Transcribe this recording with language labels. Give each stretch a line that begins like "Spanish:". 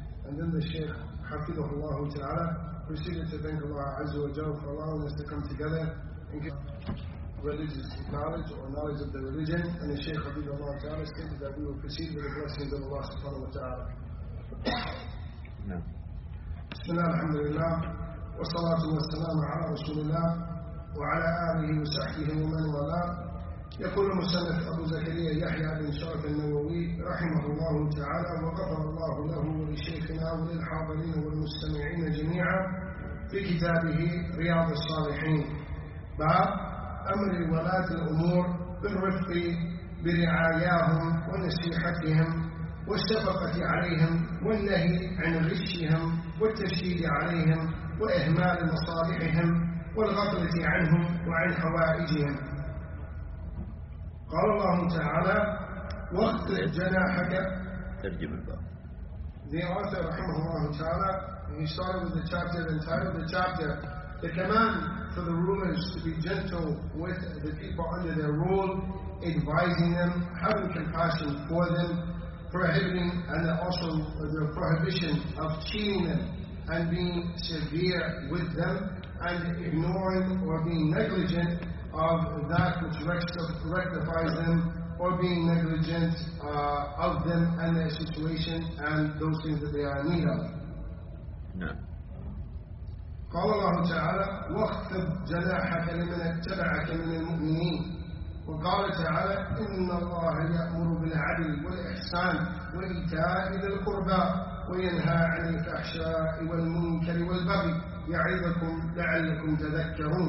English: And then the Shaykh hafidhahullah ta'ala proceeded to thank Allah azza wa jal for allowing us to come together and give religious knowledge or knowledge of the religion. And the Shaykh hafidhahullah ta'ala stated that we will proceed with the blessings of Allah subhanahu wa ta'ala.
Arabic: Bismillah alhamdulillah wa salatu wa salam ala rasulillah وعلى آله وصحبه ومن والاه. يقول المصنف أبو زكريا يحيى بن شرف النووي رحمه الله تعالى وغفر الله له ولشيخنا وللحاضرين والمستمعين جميعا في كتابه رياض الصالحين، باب أمر ولاة الأمور بالرفق برعاياهم ونصيحتهم والشفقة عليهم والنهي عن غشهم والتشديد عليهم وإهمال مصالحهم والغفلة عنهم وعن حوائجهم. قال الله تعالى واخفض جناحك. ترجم الباب.
English: The author
Arabic: رحمه الله تعالى
English: he started with the chapter and titled the chapter the command for the rulers to be gentle with the people under their rule, advising them, having compassion for them, prohibiting and also the prohibition of cheating them and being severe with them and ignoring or being negligent of that which rectifies them or being negligent of them and their situation and those things that they are in need of.
Arabic: قال الله تعالى واخفض جناحك لمن اتبعك من المؤمنين. وقال تعالى إن الله يأمر بالعدل والإحسان وإيتاء ذي القربى وينهى عن الفحشاء والمنكر والبغي يعظكم لعلكم تذكرون.